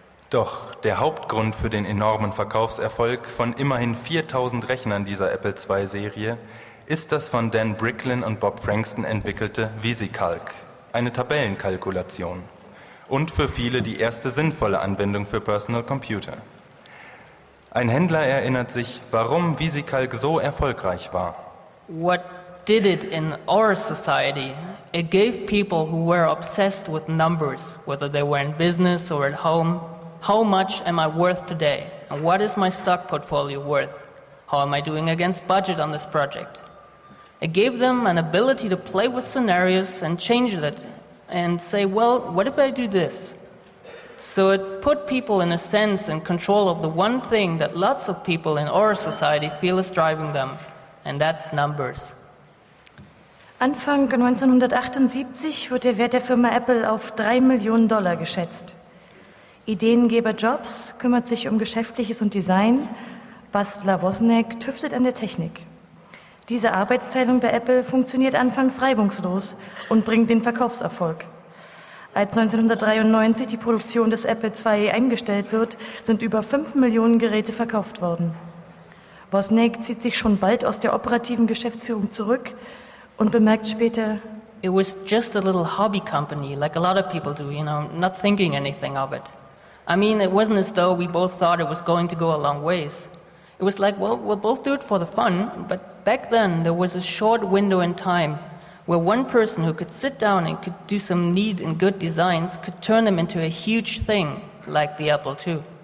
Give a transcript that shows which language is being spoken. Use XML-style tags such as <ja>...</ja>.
<de>Doch der Hauptgrund für den enormen Verkaufserfolg von immerhin 4.000 Rechnern dieser Apple II-Serie ist das von Dan Bricklin und Bob Frankston entwickelte VisiCalc, eine Tabellenkalkulation. Und für viele die erste sinnvolle Anwendung für Personal Computer. Ein Händler erinnert sich, warum VisiCalc so erfolgreich war.</de> <en>What did it in our society? It gave people who were obsessed with numbers, whether they were in business or at home, how much am I worth today? And what is my stock portfolio worth? How am I doing against budget on this project? It gave them an ability to play with scenarios and change it. And say, well, what if I do this? So it put people in a sense in control of the one thing that lots of people in our society feel is driving them, and that's numbers.</en> <de>Anfang 1978 wird der Wert der Firma Apple auf 3 Millionen Dollar geschätzt. Ideengeber Jobs kümmert sich um Geschäftliches und Design, Bastler Wozniak tüftet an der Technik. Diese Arbeitsteilung bei Apple funktioniert anfangs reibungslos und bringt den Verkaufserfolg. Als 1993 die Produktion des Apple II eingestellt wird, sind über 5 Millionen Geräte verkauft worden. Wozniak zieht sich schon bald aus der operativen Geschäftsführung zurück und bemerkt später:</de> <en>It was just a little hobby company, like a lot of people do, you know, not thinking anything of it. I mean, it wasn't as though we both thought it was going to go a long ways. It was like, well, we'll both do it for the fun, but back then there was a short window in time where one person who could sit down and could do some neat and good designs could turn them into a huge thing like the Apple II.</en>